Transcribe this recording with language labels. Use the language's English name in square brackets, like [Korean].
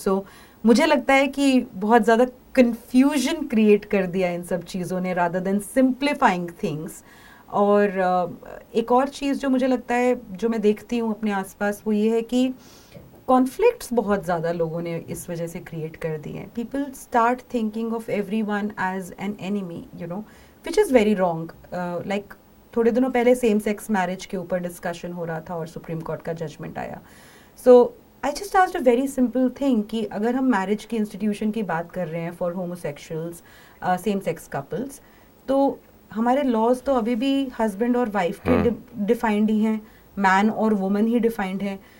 [Hindi] So, मुझे लगता है कि बहुत ज़्यादा confusion create कर दिया इन सब चीज़ों ने, [English] rather than simplifying things. [Hindi] और एक और चीज़ जो मुझे लगता है, जो मैं देखती हूँ अपने आसपास, वो ये है कि conflicts बहुत ज़्यादा लोगों ने इस वजह से create कर दिए हैं. [English] People start thinking of everyone as an enemy, you know, which is very wrong. [Hindi] Like थोड़े दिनों पहले सेम सेक्स मैरिज के ऊपर डिस्कशन हो रहा था और सुप्रीम कोर्ट का जजमेंट आया. [English] so I just asked a very simple thing [Hindi] कि अगर हम मैरिज की इंस्टीट्यूशन की बात कर रहे हैं for homosexuals, same sex couples, तो हमारे लॉज तो अभी भी हस्बैंड और वाइफ के डिफाइंड ही हैं, मैन और वुमन ही डिफाइंड हैं.